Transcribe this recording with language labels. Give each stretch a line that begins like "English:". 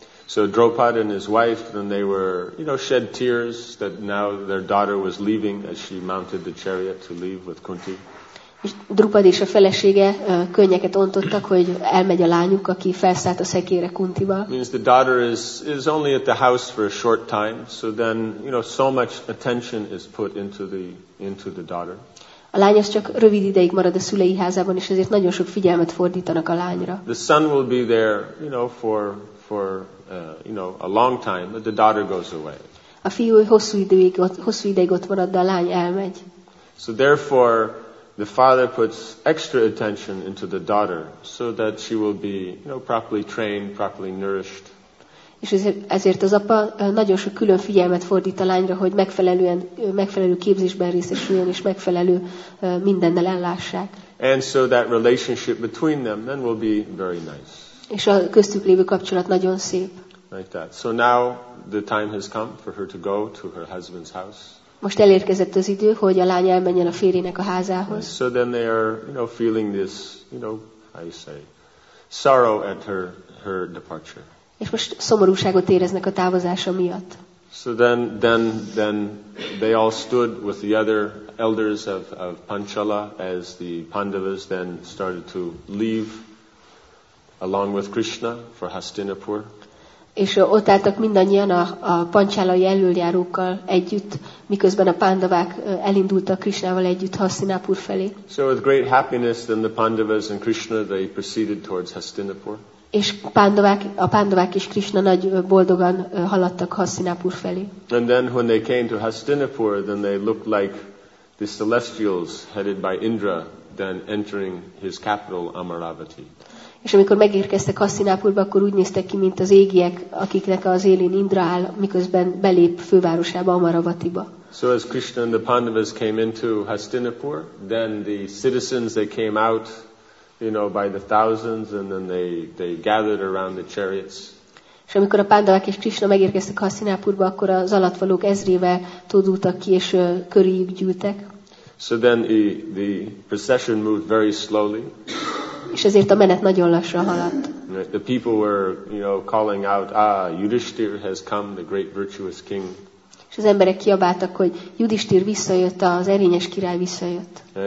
English: So Drupad and his wife, then they were, you know, shed tears that now their daughter was leaving as she mounted the chariot to leave with Kunti.
Hungarian: És Drupad és a felesége könnyeket ontottak, hogy elmegy a lányuk, aki felszállt a szekére Kuntival.
English: Means the daughter is only at the house for a short time, so then, you know, so much attention is put into the daughter.
Hungarian: A lány az csak rövid ideig marad a szülei házában, és ezért nagyon sok figyelmet fordítanak a lányra.
English: The son will be there, you know, for a long time, but the daughter goes away.
Hungarian: A fiú hosszú ideig ott marad, de a lány elmegy.
English: So therefore, the father puts extra attention into the daughter so that she will be, you know, properly trained, properly nourished.
Hungarian: És ezért az apa nagyon sok külön figyelmet fordít a lányra, hogy megfelelő képzésben részesüljön és megfelelő mindennel ellássák.
English: And so that relationship between them then will be very nice.
Hungarian: És a köztük lévő kapcsolat nagyon szép.
English: Like that. So now the time has come for her to go to her husband's house.
Hungarian: Most elérkezett az idő, hogy a lány elmenjen a férjének a házához.
English: So then they are, you know, feeling this, you know, I say, sorrow at her departure.
Hungarian: És most szomorúságot éreznek a távozása miatt.
English: So then they all stood with the other elders of Panchala as the Pandavas then started to leave along with Krishna for Hastinapur.
Hungarian: És ott álltak mindannyian a Panchalai elöljárókkal együtt, miközben a Pandavák elindultak Krishnával együtt Hastinapur felé.
English: So with great happiness then the Pandavas and Krishna they proceeded towards Hastinapur.
Hungarian: És a Pandavák és Krishna nagy boldogan haladtak Hastinapur felé.
English: And then when they came to Hastinapur, then they looked like the celestials headed by Indra, then entering his capital Amaravati.
Hungarian: És amikor megérkeztek Hastinapurba, akkor úgy néztek ki, mint az égiek, akiknek az élén Indra áll, miközben belép fővárosába, Amaravatiba.
English: So as Krishna and the Pandavas came into Hastinapur, then the citizens they came out, you know, by the thousands, and then they gathered around the chariots.
Hungarian: És amikor a Pandavák és Krishna megérkeztek Hastinapurba, akkor az alattvalók ezrével tódultak ki és körüljük gyűltek.
English: So then the procession moved very slowly.
Hungarian: És ezért a menet nagyon lassan haladt.
English: The people were, you know, calling out, Yudhishthir has come, the great virtuous king.
Hungarian: És az emberek kiabáltak, hogy Yudhishthir visszajött, az erényes király visszajött.